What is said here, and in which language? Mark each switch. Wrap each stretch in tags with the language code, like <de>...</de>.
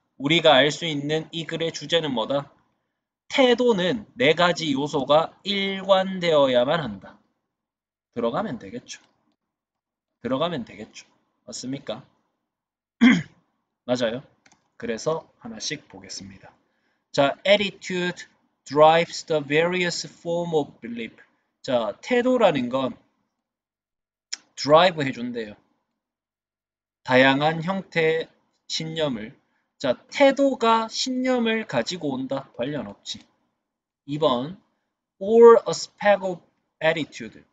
<ko>우리가 알수 있는 이 글의 주제는 뭐다? 태도는 네 가지 요소가 일관되어야만 한다. 들어가면 되겠죠. 들어가면 되겠죠. 맞습니까? 맞아요. 그래서 하나씩 보겠습니다.</ko> <en>자, attitude drives the various form of belief.</en> <ko>자, 태도라는 건 드라이브 해준대요. 다양한 형태의 신념을. 자, 태도가 신념을 가지고 온다. 관련 없지. 2번,</ko> <en>all aspects of attitude.</en>